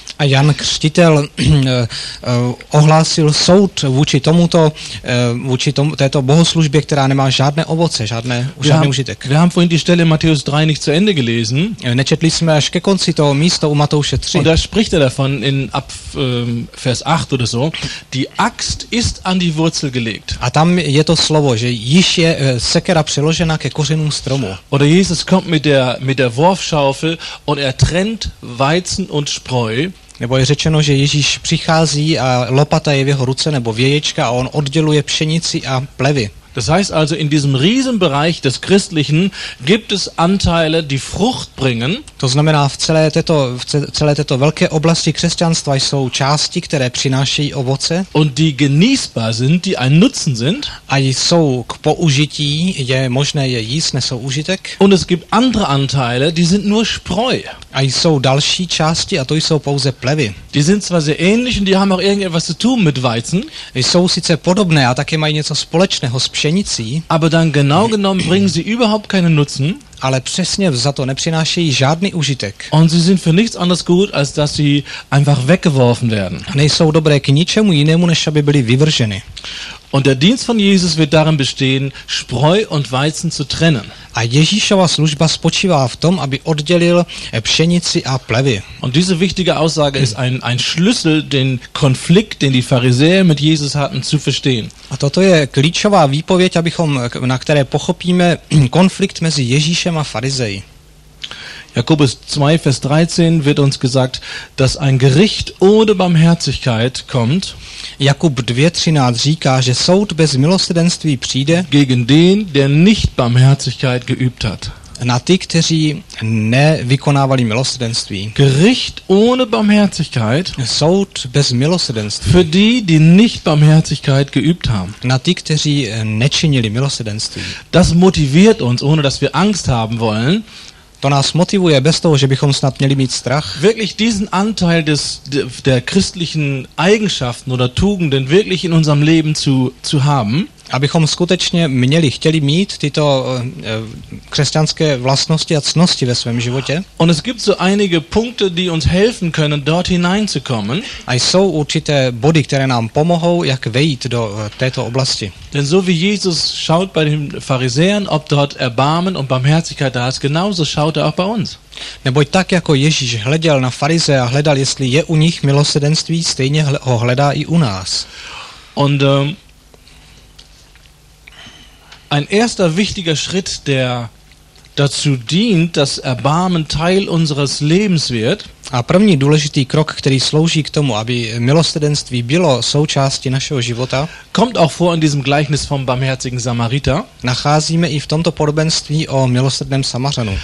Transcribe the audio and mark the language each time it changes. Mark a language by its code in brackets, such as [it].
[cs] A Jan Křtitel ohlásil soud vůči tomuto, vůči tomu, této bohoslužbě, která nemá žádné ovoce, žádný užitek. [de] Wir haben vorhin die Stelle Matthäus 3 nicht zu Ende gelesen. [cs] Nečetli jsme až ke konci to místo u Matouše 3. [de] Und da spricht er davon in ab Vers 8 oder so. Die Axt ist an die Wurzel gelegt. [cs] A tam je to slovo, že již je sekera přiložena ke kořenům stromu. [de] Oder Jesus kommt mit der Wurfschaufel und er trennt Weizen und Spreu. [cs] Nebo je řečeno, že Ježíš přichází a lopata je v jeho ruce nebo věječka a on odděluje pšenici a plevy. [de] Das heißt also, in diesem Riesenbereich des Christlichen gibt es Anteile, die Frucht bringen. [cs] To znamená, v celé této velké oblasti křesťanstva jsou části, které přinášejí ovoce. [de] Und die genießbar sind, die ein Nutzen sind. [cs] A jsou k použití, je možné je jíst, nesou užitek. [de] Und es gibt andere Anteile, die sind nur Spreu. [cs] A jsou další části, a to jsou pouze plevy. [de] Die sind zwar sehr ähnlich und die haben auch irgendetwas zu tun mit Weizen. [cs] Jsou sice podobné a také mají něco společného s pšenicí. [de] Aber dann genau genommen bringen sie überhaupt keinen Nutzen. [cs] Ale přesně za to nepřinášejí žádný užitek. [de] Und sie sind für nichts anderes gut, als dass sie einfach weggeworfen werden. [cs] A nejsou dobré k ničemu jinému, než aby byly vyvrženy. [de] Und der Dienst von Jesus wird darin bestehen, Spreu und Weizen zu trennen. [cs] A Ježíšova služba spočívá v tom, aby oddělil pšenici a plevy. [de] Und diese wichtige Aussage ist ein Schlüssel, den Konflikt, den die Pharisäer mit Jesus hatten, zu verstehen. [cs] A toto je klíčová výpověď, abychom na které pochopíme konflikt mezi Ježíšem a farizeji. [de] Jakobus 2, Vers 13 wird uns gesagt, dass ein Gericht ohne Barmherzigkeit kommt. [cs] Jakub 2:13 říká, že soud bez milosrdenství přijde [de] gegen den, der nicht Barmherzigkeit geübt hat. [cs] Na ty, kteří nevykonávali milosrdenství. [de] Gericht ohne Barmherzigkeit. [cs] Soud bez milosrdenství. [de] Für die, die nicht Barmherzigkeit geübt haben. [cs] Na ty, kteří nečinili milosrdenství. [de] Das motiviert uns, ohne dass wir Angst haben wollen. [cs] To nás motivuje bez toho, že bychom snad měli mít strach. [de] Wirklich diesen Anteil des der christlichen Eigenschaften oder Tugenden wirklich in unserem Leben zu haben. [cs] Abychom skutečně měli, chtěli mít tyto křesťanské vlastnosti a cnosti ve svém životě. [de] Und es gibt so einige Punkte, die uns helfen können, dort hineinzukommen. [cs] A jsou určité body, které nám pomohou, jak vejít do této oblasti. [de] Denn so wie Jesus schaut bei den Pharisäern, ob dort Erbarmen und Barmherzigkeit da ist, genauso schaut er auch bei uns. [cs] Neboť tak, jako Ježíš hleděl na farize a hledal, jestli je u nich milosrdenství, stejně ho hledá i u nás. [de] Und ein erster wichtiger Schritt, der dazu dient, dass Erbarmen Teil unseres Lebens wird. [cs] A první důležitý krok, který slouží k tomu, aby milosrdenství bylo součástí našeho života, [de] kommt auch vor in diesem Gleichnis vom barmherzigen Samariter. [cs] Nacházíme i v tomto podobenství o milosrdném Samařanu.